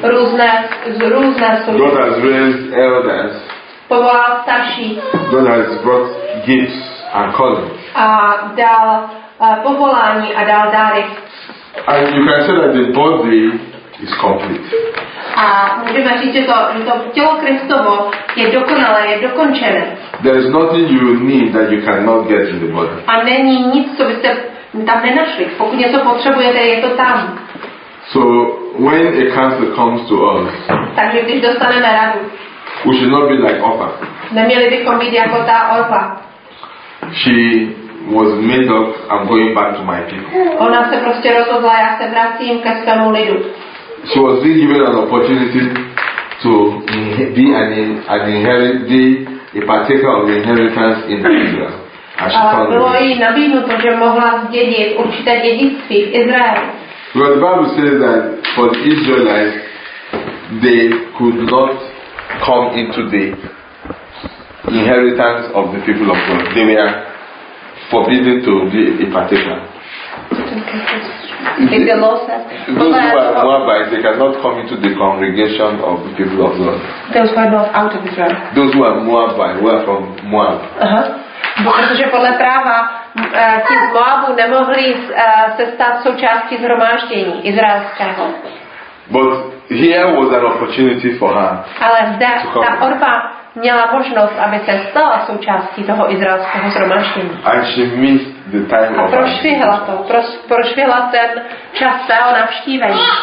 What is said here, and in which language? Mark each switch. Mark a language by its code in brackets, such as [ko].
[cs] Různé služby. [en] God has raised elders. [cs] Povolal starší. [en] God has brought gifts and callings. [cs] A dal povolání a dal dáry. [en] And you can say that the body is complete. [cs] A můžeme říct, že to tělo Kristovo je dokonalé, je dokončené. [en] There is nothing you need that you cannot get in the body. [cs] A není nic, co byste tam nenašli. Pokud něco potřebujete, je to tam. [en] So when a counselor comes to us. [cs] Takže když dostaneme radu. [en] We should not be like Orpa. [cs] Neměli bychom být jako ta Orpa. [en] She was made up, I'm going back to my people. [cs] Ona se prostě rozhodla, já se vracím ke svému lidu. [en] She was being given an opportunity to be an inherit, be a partaker of the inheritance in Israel. [cs] Bylo jí nabídnuto, že mohla zdědit určité dědictví v Izraeli. [en] Because the Bible says that for the Israelites, they could not come into the inheritance of the people of God. They were forbidden to be a partaker. Those who are Moabites, they cannot come into the congregation of the people of God. Those who are not out of Israel. Those who are Moabites, who are from Moab. [cs] Protože podle práva ti z Moabu nemohli se stát součástí zhromáždění izraelského. [en] But here was an opportunity for her. [cs] Ale zde ta Orpa měla možnost, aby se stala součástí toho izraelského zhromáždění. [en] And she missed the time [cs] a prošvihla to, prošvihla ten čas svého navštívení.